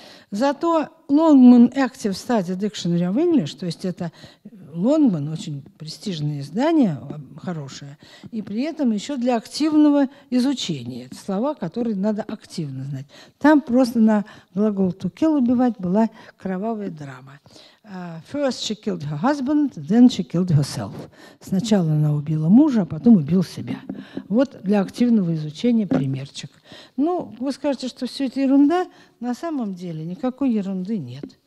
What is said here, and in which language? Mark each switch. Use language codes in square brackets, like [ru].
[ru] Зато Longman Active Study Dictionary of English, то есть это Longman, очень престижное издание, хорошее, и при этом еще для активного изучения. Это слова, которые надо активно знать. Там просто на глагол «to kill» убивать была кровавая драма. [en] First she killed her husband, then she killed herself. [ru] Сначала она убила мужа, а потом убила себя. Вот для активного изучения примерчик. Ну, вы скажете, что все это ерунда. На самом деле никакой ерунды нет.